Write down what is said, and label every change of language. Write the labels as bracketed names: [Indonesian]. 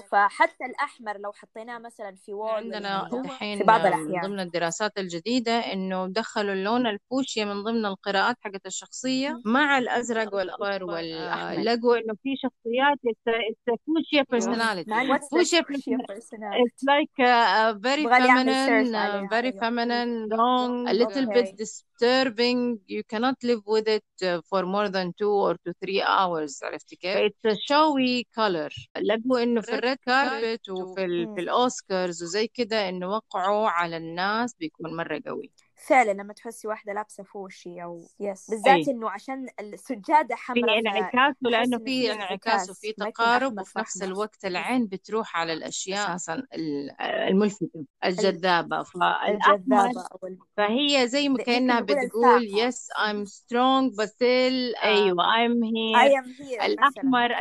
[Arabic] فحتى الأحمر لو حطيناه مثلا في وول عندنا الحين من ضمن الدراسات الجديدة إنه دخلوا اللون الفوشيا من ضمن القراءات حقت الشخصية مع الأزرق والأخضر والأحمر لقوا إنه في شخصيات يستفيد [English] push your personality. What's push your personality? It's like very feminine, long, a little bit disturbing. You cannot live with it for more than 2 or 3 hours. [Arabic] عرفتي كيف؟ [English] It's a showy color. [Arabic] لقوا إنه في الريد كاربت وفي الأوسكارز وزي كده إنه وقعوا على الناس بيكون مرة قوي. فعلا لما تحسي واحدة لابسة فوشي أو بالذات إنه عشان السجادة حمراء في انعكاس، لأنه في انعكاس وفي تقارب، وفي نفس الوقت العين بتروح على الأشياء أصلا الملفتة الجذابة، فالأحمر فهي زي كأنها بتقول [English] yes I'm strong but still [Arabic] أيوة [English] I am here. [Arabic] الأحمر مثلاً.